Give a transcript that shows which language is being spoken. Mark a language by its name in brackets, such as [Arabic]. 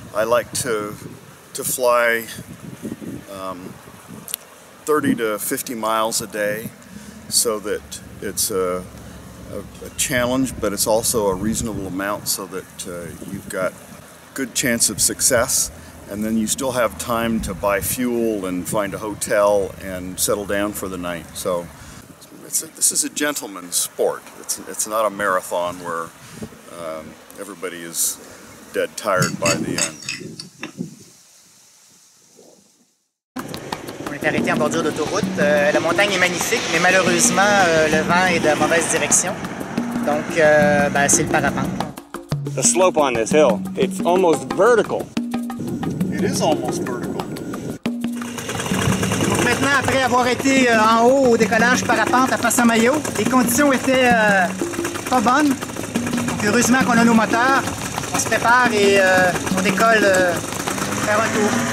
[English] I like to fly 30 to 50 miles a day so that it's a challenge, but it's also a reasonable amount so that you've got good chance of success, and then you still have time to buy fuel and find a hotel and settle down for the night. So this is a gentleman's sport. It's not a marathon where everybody is dead tired by the end. [French] On est arrêté en bordure d'autoroute. La montagne est magnifique, mais malheureusement le vent est de mauvaise direction. Donc c'est le parapente. [English] The slope on this hill, it's almost vertical. It is almost vertical. [French] Donc maintenant, après avoir été en haut au décollage parapente à face à maillot, les conditions étaient pas bonnes. Donc heureusement qu'on a nos moteurs, on se prépare et on décolle faire un tour.